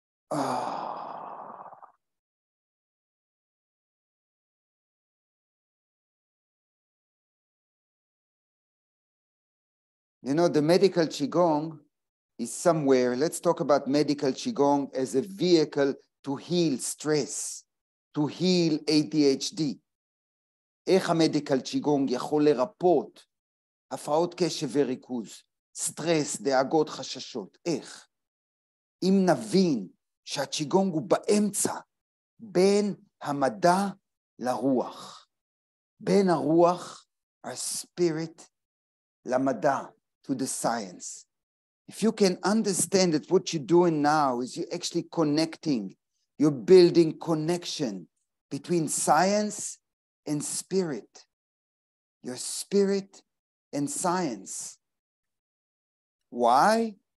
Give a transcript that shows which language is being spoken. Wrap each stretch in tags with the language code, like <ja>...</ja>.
<en>You know, the medical Qigong is somewhere. Let's talk about medical Qigong as a vehicle to heal stress, to heal ADHD.</en> <he>איך המדיקל צ'יגונג יכול לרפות הפרעות קשב וריכוז, סטרס, דאגות, חששות? איך? אם נבין שהצ'יגונג הוא באמצע בין המדע לרוח, בין הרוח,</he> <en>our spirit,</en> <he>למדע,</he> <en>to the science. If you can understand that what you're doing now is you're actually connecting, you're building connection between science and spirit, your spirit and science. Why?</en>